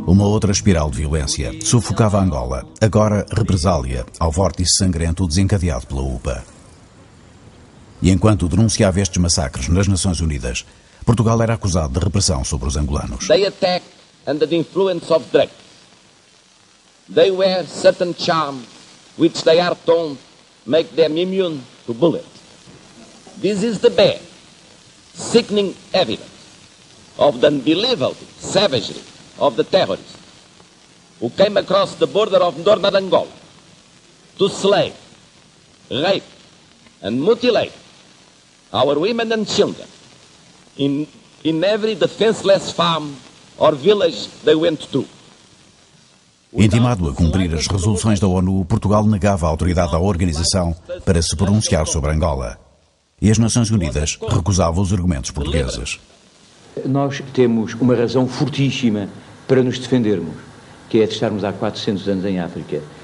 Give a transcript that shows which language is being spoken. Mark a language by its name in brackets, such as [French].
[Portuguese] Uma outra espiral de violência sufocava Angola. Agora, represália ao vórtice sangrento desencadeado pela UPA. E enquanto denunciava estes massacres nas Nações Unidas, Portugal era acusado de repressão sobre os angolanos. [English] They attack under the influence of drugs. They wear certain charms which they are told make them immune to bullets. This is the bare, sickening evidence of the unbelievable savagery of the terrorists who came across the border of northern Angola to slay, rape and mutilate our women and children in every defenseless farm or village they went to. [Portuguese] Intimado a cumprir as resoluções da ONU, Portugal negava a autoridade à organização para se pronunciar sobre Angola. E as Nações Unidas recusavam os argumentos portugueses. Nós temos uma razão fortíssima para nos defendermos, que é de estarmos há 400 anos em África.